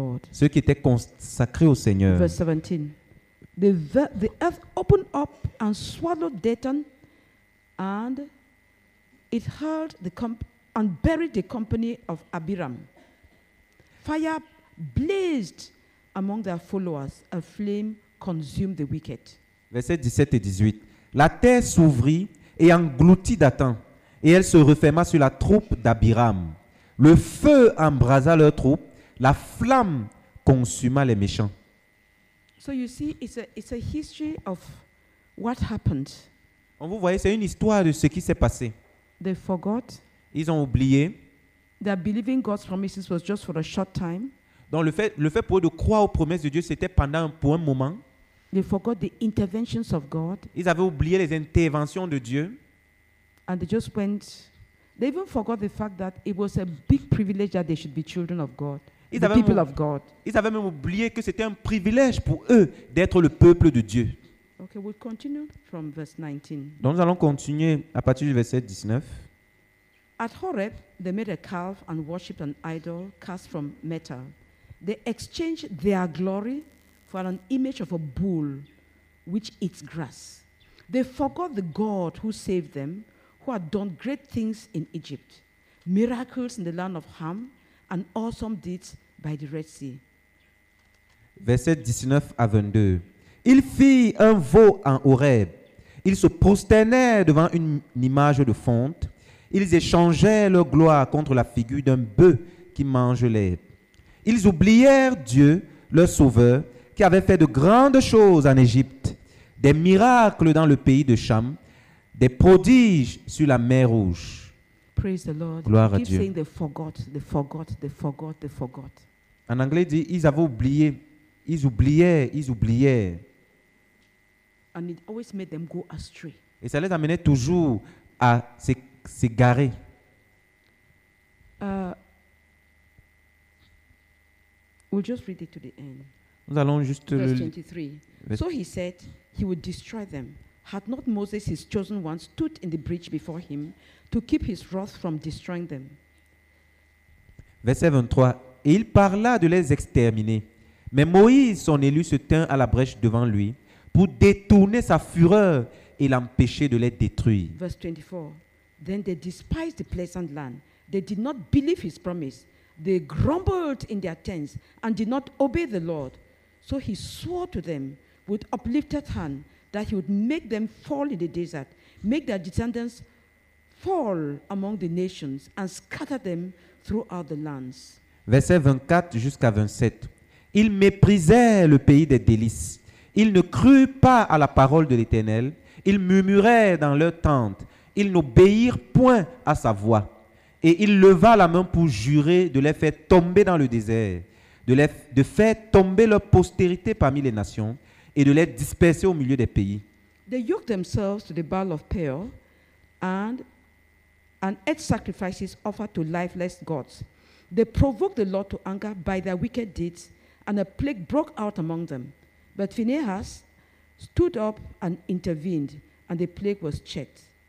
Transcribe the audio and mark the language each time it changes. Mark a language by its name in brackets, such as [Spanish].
[French] Ceux qui étaient consacrés au Seigneur. Verset 17. [English] The earth opened up and swallowed Dathan and it held the and buried the company of Abiram. Fire blazed among their followers. A flame consumed the wicked. [French] Verset 17 et 18. La terre s'ouvrit et engloutit Dathan. Et elle se referma sur la troupe d'Abiram. Le feu embrasa leur troupe, la flamme consuma les méchants. [English] So you see, it's a history of what happened. [French] On vous voyez, c'est une histoire de ce qui s'est passé. [English] They forgot. [French] Ils ont oublié. [English] That believing God's promises was just for a short time. [French] Donc le fait pour eux de croire aux promesses de Dieu, c'était pendant pour un moment. [English] They forgot the interventions of God. [French] Ils avaient oublié les interventions de Dieu. [English] And they just went. They even forgot the fact that it was a big privilege that they should be children of God. [French] Ils avaient même oublié que c'était un privilège pour eux d'être le peuple de Dieu. [English] Okay, we'll continue from verse 19. [French] Donc nous allons continuer à partir du verset 19. [English] At Horeb, they made a calf and worshipped an idol cast from metal. They exchanged their glory for an image of a bull which eats grass. They forgot the God who saved them, who had done great things in Egypt, miracles in the land of Ham, and awesome deeds by the Red Sea. [French] Verset 19 à 22. Ils firent un veau en Horeb. Ils se prosternèrent devant une image de fonte. Ils échangèrent leur gloire contre la figure d'un bœuf qui mange l'herbe. Ils oublièrent Dieu, leur sauveur, qui avait fait de grandes choses en Égypte, des miracles dans le pays de Cham, des prodiges sur la mer Rouge. [English] Praise the Lord. [French] Gloire à Dieu. [English] Saying they forgot, they forgot, they forgot, they forgot. [French] En anglais, dit, ils avaient oublié, ils oubliaient, ils oubliaient. [English] And it always made them go astray. [French] Et ça les amenait toujours à s'égarer. [English] We'll just read it to the end. [French] Nous allons juste [English] verse 23. So he said he would destroy them. Had not Moses, his chosen one, stood in the breach before him to keep his wrath from destroying them? [French] Verset 23. Et il parla de les exterminer. Mais Moïse, son élu, se tint à la brèche devant lui pour détourner sa fureur et l'empêcher de les détruire. [English] Verse 24. Then they despised the pleasant land. They did not believe his promise. They grumbled in their tents and did not obey the Lord. So he swore to them with uplifted hand that he would make them fall in the desert, make their descendants fall among the nations and scatter them throughout the lands. [French] Verset 24 jusqu'à 27. Ils méprisèrent le pays des délices. Ils ne crurent pas à la parole de l'Éternel. Ils murmurèrent dans leurs tentes. Ils n'obéirent point à sa voix. Et il leva la main pour jurer de les faire tomber dans le désert, de faire tomber leur postérité parmi les nations et de les disperser au milieu des pays. [English] They yoked themselves to the Baal of Peor and ate sacrifices offered to lifeless gods. They provoked the Lord to anger by their wicked deeds and a plague broke out among them. But Phinehas stood up and intervened and the plague was checked.